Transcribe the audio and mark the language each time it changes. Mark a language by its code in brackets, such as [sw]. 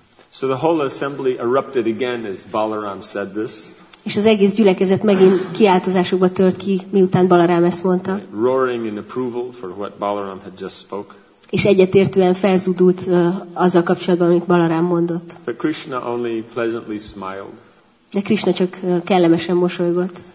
[en] So the whole assembly erupted again as Balaram said this. [hu] És az egész gyülekezet megint kiáltozásokba tört ki, miután Balaram ezt mondta. [en] Right. Roaring in approval for what Balaram had just spoke. [hu] És egyetértően felzúdult azzal kapcsolatban, amit Balaram mondott. [en] But Krishna only pleasantly smiled. [hu] De Krishna csak kellemesen mosolygott.